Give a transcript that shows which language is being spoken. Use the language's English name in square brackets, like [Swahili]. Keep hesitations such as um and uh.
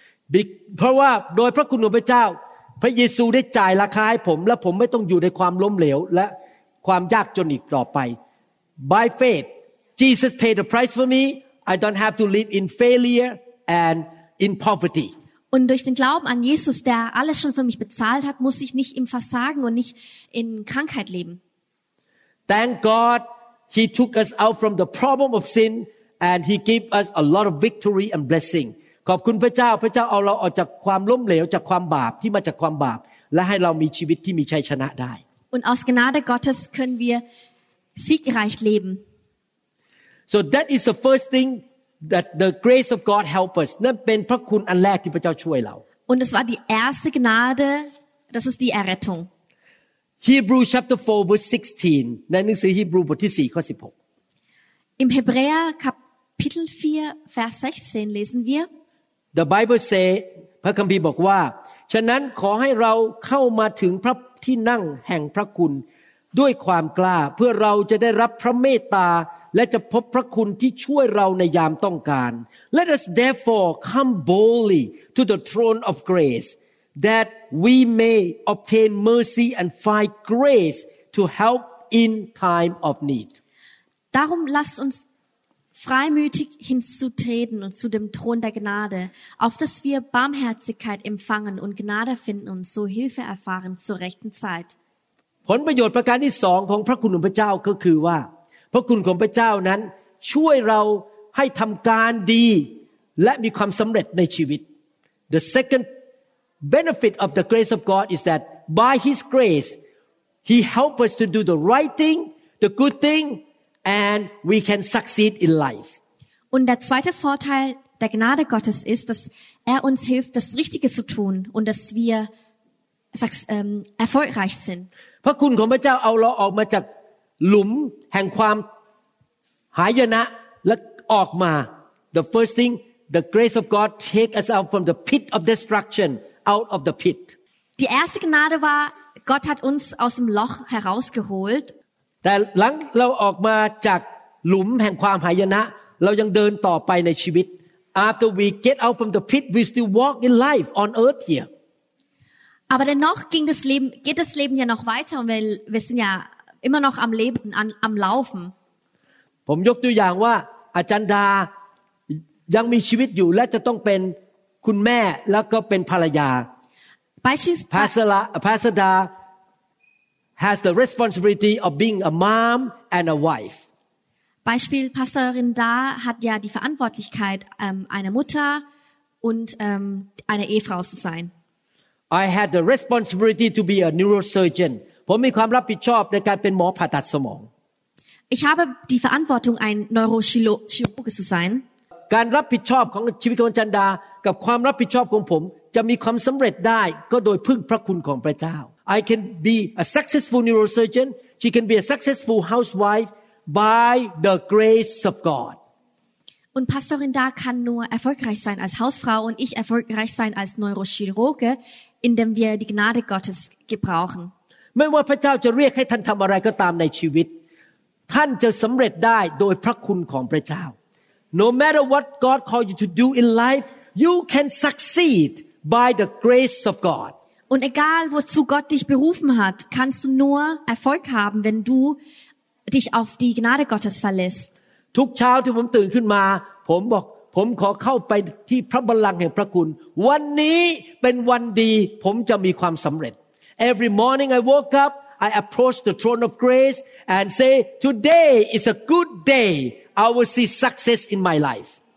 [English] By faith, Jesus paid the price for me. I don't have to live in failure and in poverty. [German] Und durch den Glauben an Jesus, der alles schon für mich bezahlt hat, muss ich nicht im Versagen und nicht in Krankheit leben. [English] Thank God he took us out from the problem of sin and he gave us a lot of victory and blessing. [Thai] ขอบคุณพระเจ้าพระเจ้าเอาเราออกจากความล้มเหลวจากความบาปที่มาจากความบาปและให้เรามีชีวิตที่มีชัยชนะได้ [German] Und aus Gnade Gottes können wir siegreich leben. [English] So that is the first thing that the grace of God help us. [Thai] นั่นเป็นพระคุณอันแรกที่พระเจ้าช่วยเรา [German] Und es war die erste Gnade, das ist Errettung. [English] Hebrew chapter 4 verse 16 [Thai] ในหนังสือฮีบรูบทที่4ข้อ [German] 16 Im h e เ r ä e r k a p i t ท l 4 Vers 16 lesen wir [English] The Bible say [Thai] พระคัมภีร์บอกว่า ฉะนั้นขอให้เราเข้ามาถึงพระที่นั่งแห่งพระคุณ ด้วยความกล้าเพื่อเราจะได้รับพระเมตตาและจะพบพระคุณที่ช่วยเราในยามต้องการ [English] Let us therefore come boldly to the throne of grace that we may obtain mercy and find grace to help in time of need. [German] Darum lasst uns freimütig hinzutreten und zu dem Thron der Gnade, auf dass wir Barmherzigkeit empfangen und Gnade finden und so Hilfe erfahren zur rechten Zeit. [Thai] ผลประโยชน์ประการที่สองของพระคุณของพระเจ้าก็คือว่า พระคุณของพระเจ้านั้นช่วยเราให้ทำการดี และมีความสำเร็จในชีวิต [English] The second benefit of the grace of God is that by His grace, He helps us to do the right thing, the good thing, and we can succeed in life. [German] Und der zweite Vorteil der Gnade Gottes ist, dass er uns hilft, das Richtige zu tun und dass wir sagst, ähm, um, erfolgreich sind. [Thai] พระคุณของพระเจ้าเอาเราออกมาจากหลุมแห่งความหายนะและออกมา [English] The first thing, the grace of God take us out from the pit of destruction. out of the pit. [German] Die erste Gnade war, Gott hat uns aus dem Loch herausgeholt. [Thai] แต่หลังเราออกมาจากหลุมแห่งความหายนะเรายังเดินต่อไปในชีวิต [English] After we get out from the pit, we still walk in life on earth here. [German] Aber dennoch ging das Leben, geht das Leben ja noch weiter und wir, wir sind ja immer noch am Leben, an, am Laufen. [Thai] ผมยกตัวอย่างว่าอาจารย์ดายังมีชีวิตอยู่และจะต้องเป็นคุณแม่แล้วก็เป็นภรรยา [English] Pasala Pasada has the responsibility of being a mom and a wife [German] Beispiel Pastorin da hat ja die Verantwortlichkeit um, einer Mutter und um, einer Ehefrau zu sein [English] I had the responsibility to be a neurosurgeon [Thai] ผมมีความรับผิดชอบในการเป็นหมอผ่าตัดสมอง [German] Ich habe die Verantwortung ein Neurochirurg zu sein [Thai] การรับผิดชอบของชีวิตของจันดากับความรับผิดชอบของผม จะมีความสำเร็จได้ก็โดยพึ่งพระคุณของพระเจ้า [English] I can be a successful neurosurgeon she can be a successful housewife by the grace of God [German] Und Pastorin Da kann nur erfolgreich sein als Hausfrau und ich erfolgreich sein als Neurochirurge, indem wir die Gnade Gottes gebrauchen. [Thai] ไม่ว่าพระเจ้าจะเรียกให้ท่านทำอะไรก็ตามในชีวิต ท่านจะสำเร็จได้โดยพระคุณของพระเจ้า [English] no matter what God called you to do in life, you can succeed by the grace of God. [German] Und egal wozu Gott dich berufen hat, kannst du nur Erfolg haben, wenn du dich auf die Gnade Gottes verlässt. [Thai] ทุกเช้าที่ผมตื่นขึ้นมาผมบอกผมขอเข้าไปที่พระบัลลังก์แห่งพระคุณวันนี้เป็นวันดีผมจะมีความสำเร็จ [English] Every morning I woke up I approach the throne of grace and say today is a good day I will see success in my life.